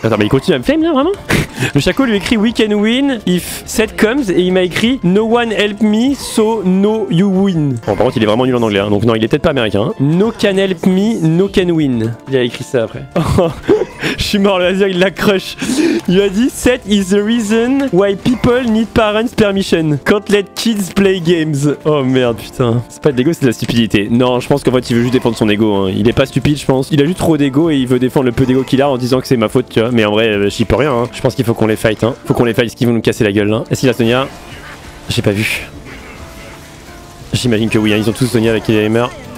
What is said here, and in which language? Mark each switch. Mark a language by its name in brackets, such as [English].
[French] Attends, mais il continue à me flame là, vraiment? Le Shaco lui écrit [English] We can win if set comes [French] et il m'a écrit [English] No one help me, so no you win. [French] Bon, par contre, il est vraiment nul en anglais, hein. Donc non, il est peut-être pas américain. Hein. [English] No can help me, no can win. [French] Il a écrit ça après. Je suis mort, le laser, il la crush. Il a dit [English] that is the reason why people need parents permission. Can't let kids play games. [French] Oh merde, putain. C'est pas de l'ego, c'est de la stupidité. Non, je pense qu'en fait il veut juste défendre son ego. Hein. Il est pas stupide, je pense. Il a juste trop d'ego et il veut défendre le peu d'ego qu'il a en disant que c'est ma faute, tu vois. Mais en vrai, j'y peux rien. Hein. Je pense qu'il faut qu'on les fight. Hein. Faut qu'on les fight, parce qu'ils vont nous casser la gueule. Hein. Est-ce qu'il a Sonia? J'ai pas vu. J'imagine que oui, hein. Ils ont tous Sonia avec les gamers.